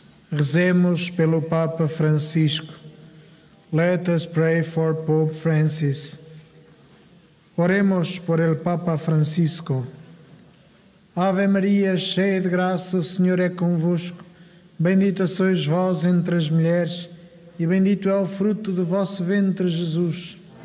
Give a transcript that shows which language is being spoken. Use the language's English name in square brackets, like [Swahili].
[Portuguese] Rezemos pelo Papa Francisco. [English] Let us pray for Pope Francis. [Spanish] Oremos por el Papa Francisco. [Portuguese] Ave Maria, cheia de graça, o Senhor é convosco. Bendita sois vós entre as mulheres e bendito é o fruto do vosso ventre, Jesus.